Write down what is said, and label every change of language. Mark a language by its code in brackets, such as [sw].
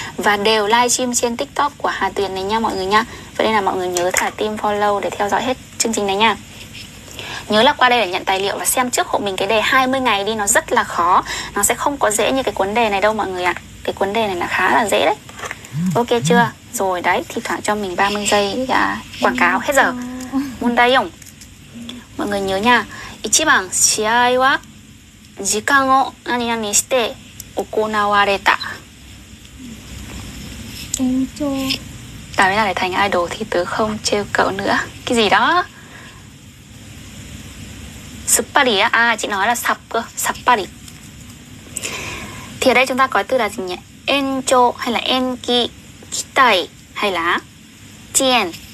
[vi] Và đều livestream trên TikTok của Hà Tuyền này nha mọi người nha. Vậy nên là mọi người nhớ thả tim follow để theo dõi hết chương trình này nha. Nhớ là qua đây để nhận tài liệu và xem trước hộ mình cái đề 20 ngày đi, nó rất là khó. Nó sẽ không có dễ như cái cuốn đề này đâu mọi người ạ. Cái cuốn đề này là khá là dễ đấy. Ok chưa? Rồi đấy, thì thoảng cho mình 30 giây quảng cáo hết giờ. Muốn đây không? Mọi người nhớ nha. [ja] 1番 試合は時間を何々して行われた。延長。 [vi] Tại sao lại thành idol thì tớ không trêu cậu nữa. Cái gì đó? Sự bà đi á, à chị nói là sập cơ, sập bà đi. Thì ở đây chúng ta có từ là gì nhỉ? En cho hay là en ki, ki tai hay là chien.